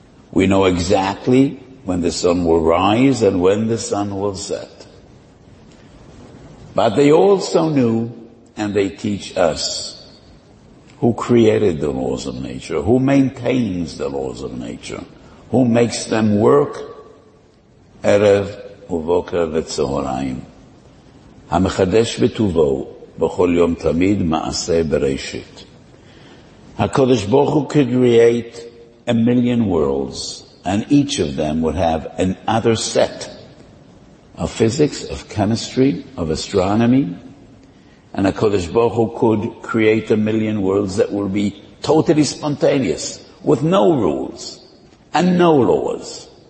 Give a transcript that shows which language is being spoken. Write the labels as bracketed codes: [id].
[en] We know exactly when the sun will rise and when the sun will set. But they also knew, and they teach us, who created the laws of nature, who maintains the laws of nature, who makes them work. [he] Erev uvoker v'tzohorayim. המחדש בטובו בכל יום תמיד מעשה בראשית. [en] הקדוש ברוך הוא could create a million worlds, and each of them would have another set of physics, of chemistry, of astronomy, and HaKadosh Baruch Hu could create a million worlds that will be totally spontaneous, with no rules and no laws.